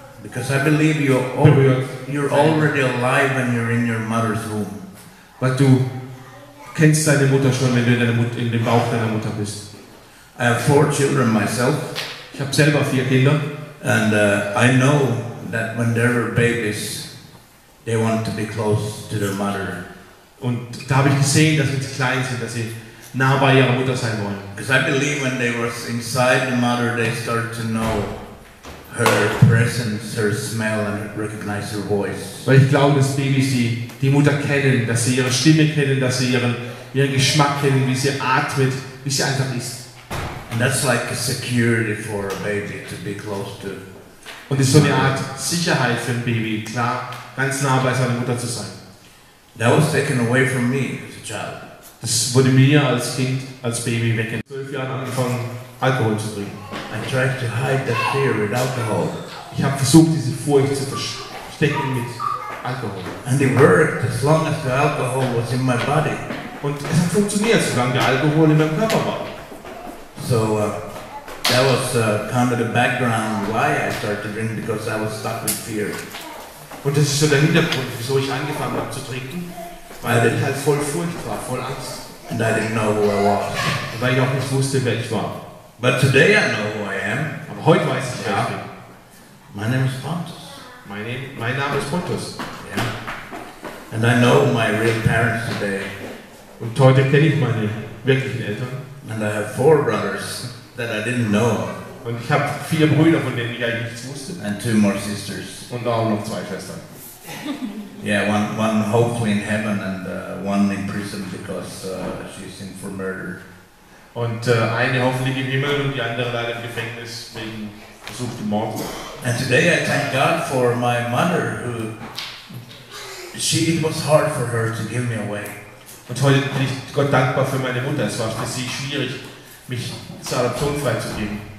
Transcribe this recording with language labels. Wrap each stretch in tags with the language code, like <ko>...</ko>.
<en>because I believe you're already alive when you're in your mother's womb.</en> <de>Weil du kennst deine Mutter schon, wenn du in dem Bauch deiner Mutter bist.</de> <en>I have four children myself.</en> <de>Ich habe selber vier Kinder.</de> <en>And I know that when they're babies, they want to be close to their mother.</en> <de>Und da habe ich gesehen, dass sie klein sind, dass sie nah bei ihrer Mutter sein wollen.</de> <en>Because I believe when they were inside the mother, they start to know her presence, her smell, and recognize her voice.</en> <de>Weil ich glaube, dass Babys die Mutter kennen, dass sie ihre Stimme kennen, dass sie ihren Geschmack kennen, wie sie atmet, wie sie einfach ist.</de> <en>And that's like a security for a baby to be close to.</en> <de>Und das ist so eine Art Sicherheit für ein Baby, klar, ganz nah bei seiner Mutter zu sein.</de> <en>That was taken away from me as a child.</en> <de>Das wurde mir als Kind, als Baby weggenommen. 12 Jahren angefangen, Alkohol zu trinken.</de> <en>I tried to hide that fear with alcohol.</en> <de>Ich habe versucht, diese Furcht zu verstecken mit Alkohol.</de> <en>And it worked as long as the alcohol was in my body.</en> <de>Und es hat funktioniert, solange der Alkohol in meinem Körper war.</de> <en>So, that was kind of the background why I started to drink, because I was stuck with fear.</en> <de>Und das ist so der Hintergrund, wieso ich angefangen habe zu trinken, weil ich halt voll Furcht war, voll Angst.</de> <en>And I didn't know who I was.</en> <de>Und weil ich auch nicht wusste, wer ich war.</de> <en>But today I know who I am.</en> <de>Aber heute weiß ich, wer ich bin.</de> <en>My name is Pontus.</en> <de>Mein Name ist Pontus.</de> <en>Yeah. And I know my real parents today.</en> <de>Und heute kenne ich meine wirklichen Eltern.</de> <en>And I have four brothers that I didn't know.</en> <de>Und ich habe vier Brüder, von denen ich eigentlich nichts wusste.</de> <en>And two more sisters.</en> <de>Und auch noch zwei Schwestern.</de> <en>Yeah, one hopefully in heaven and one in prison because she's in for murder.</en> <de>Und eine hoffentlich im Himmel und die andere leider im Gefängnis wegen versuchten Mord.</de> <en>And today I thank God for my mother, who it was hard for her to give me away.</en> <de>Und heute bin ich Gott dankbar für meine Mutter. Es war für sie schwierig, mich zur Adoption freizugeben.</de>